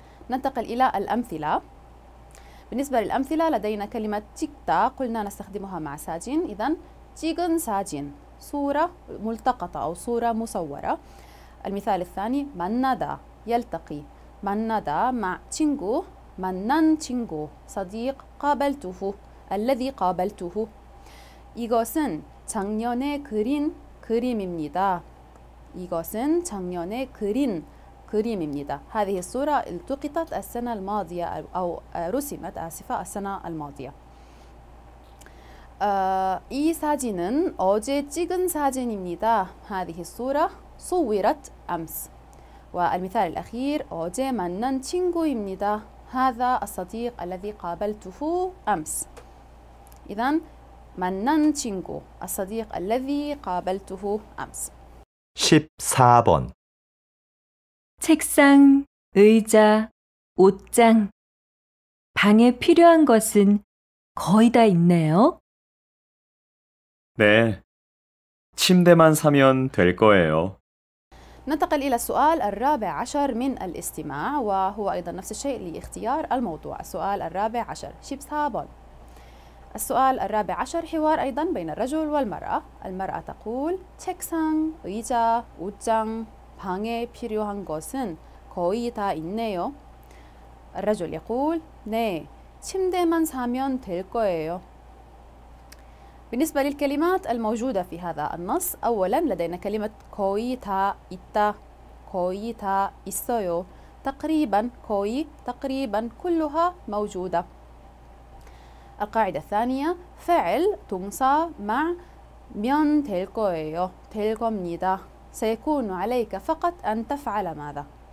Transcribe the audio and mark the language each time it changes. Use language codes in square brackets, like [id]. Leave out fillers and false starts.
[ar] ننتقل إلى الأمثلة. بالنسبة للأمثلة لدينا كلمة تيكتا، قلنا نستخدمها مع ساجين، إذن تيغن ساجين، صورة ملتقطة أو صورة مصورة. المثال الثاني مانادا، يلتقي. مانادا مع تينغو، مانان تينغو، صديق قابلته، الذي قابلته. [ko] 이것은 작년에 그린 그림입니다. 이것은 작년에 그린 그림입니다. [ar] هذه الصورة التقطت السنة الماضية أو رسمت، آسفة، السنة الماضية. [ko] 이 사진은 어제 찍은 사진입니다. [ar] هذه الصورة صورت أمس. والمثال الأخير [ko] 어제 만난 친구입니다. [ar] هذا الصديق الذي قابلته أمس. إذن [ko] 만난 친구، [ar] الصديق الذي قابلته أمس. [ko] 14번 책상, 의자, 옷장, 방에 필요한 것은 거의 다 있네요. 네, 침대만 사면 될 거예요. [ar] ننتقل إلى السؤال الرابع عشر من الاستماع، وهو أيضا نفس الشيء لاختيار الموضوع. السؤال الرابع عشر، [ko] 14번. [ar] السؤال الرابع عشر، حوار أيضا بين الرجل والمرأة. المرأة تقول [ko] 책상, 의자, 옷장, 방에 필요한 것은 거의 다 있네요. [ar] الرجل يقول [ko] 네, 침대만 사면 될 거예요. [ar] بالنسبة للكلمات الموجودة في هذا النص، أولا لدينا كلمة [ko] 거의 다 있다، 거의 다 있어요، [ar] تقريبا، 거의 تقريبا، كلها موجودة. القاعدة الثانية فعل تنصى مع [ko] 면 될 거예요، 될 겁니다، [ar] سيكون عليك فقط أن تفعل ماذا.